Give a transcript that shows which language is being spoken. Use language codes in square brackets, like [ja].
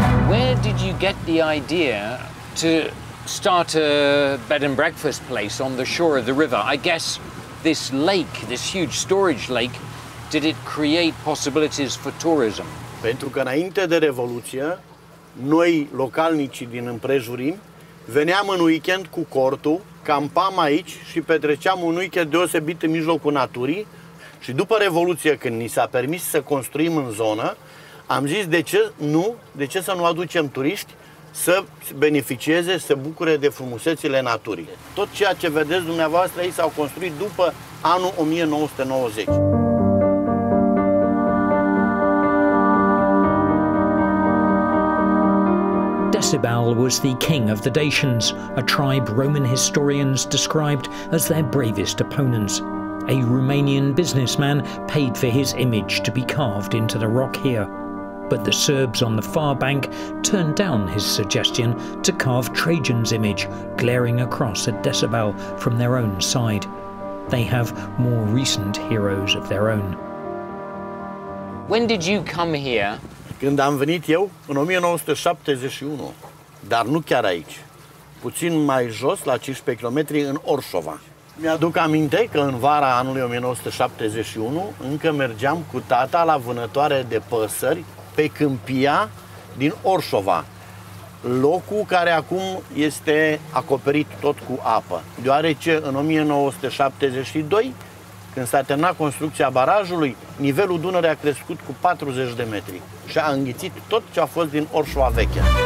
[en] Where did you get the idea to start a bed and breakfast place on the shore of the river? I guess this lake, this huge storage lake, did it create possibilities for tourism? [ro] Pentru că înainte de revoluție, noi localnicii din împrejurim veneam în weekend cu cortul, campam aici și petreceam un weekend deosebit în mijlocul naturii. Și după revoluție, când ni s-a permis să construim în zonă, am zis de ce nu, de ce să nu aducem turiști să beneficieze, să bucure de frumusețile naturii. Tot ceea ce vedeți dumneavoastră aici s-au construit după anul 1990. [en] Decebal was the king of the Dacians, a tribe Roman historians described as their bravest opponents. A Romanian businessman paid for his image to be carved into the rock here. But the Serbs on the far bank turned down his suggestion to carve Trajan's image, glaring across at Decebal from their own side. They have more recent heroes of their own. When did you come here? [ro] Când am venit eu, în 1971, dar nu chiar aici, puțin mai jos, la 15 km, în Orșova. Mi-aduc aminte că în vara anului 1971 încă mergeam cu tata la vânătoare de păsări pe câmpia din Orșova, locul care acum este acoperit tot cu apă, deoarece în 1972, când s-a terminat construcția barajului, nivelul Dunării a crescut cu 40 de metri și a înghițit tot ce a fost din Orșova veche.